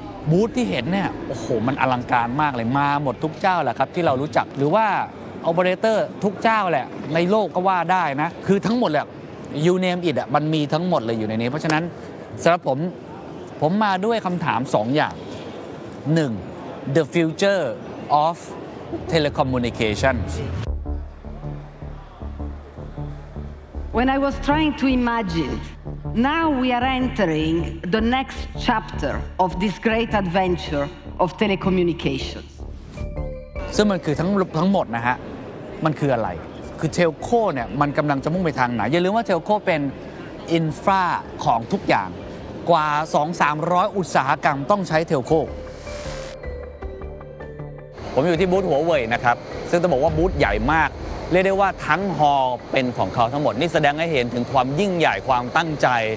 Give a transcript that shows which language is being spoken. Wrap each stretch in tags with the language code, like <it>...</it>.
<th>บูธที่เห็นเนี่ยโอ้โหมันอลังการมากเลยมาหมดทุกเจ้าแหละครับที่เรารู้จักหรือว่าออเปอเรเตอร์ทุกเจ้าแหละในโลกก็ว่าได้นะคือทั้งหมดแหละยูเนมอิดอ่ะมันมีทั้งหมดเลยอยู่ในนี้เพราะฉะนั้นสำหรับผมมาด้วยคำถาม2อย่าง1</th> <en>The future of telecommunications When I was trying to imagine, now we are entering the next chapter of this great adventure of telecommunications.</en> <th>ซึ่งมันคือทั้งหมดนะฮะมันคืออะไรคือเทลโคเนี่ยมันกำลังจะมุ่งไปทางไหนอย่าลืมว่าเทลโคเป็นอินฟราของทุกอย่างกว่า 2-300 อุตสาหกรรมต้องใช้เทลโคผมอยู่ที่บูธหัวเว่ยนะครับซึ่งต้องบอกว่าบูธใหญ่มากเรียกได้ว่าทั้งฮอลล์เป็นของเขาทั้งหมดนี่แสดงให้เห็นถึงความยิ่งใหญ่ความตั้งใจ</th>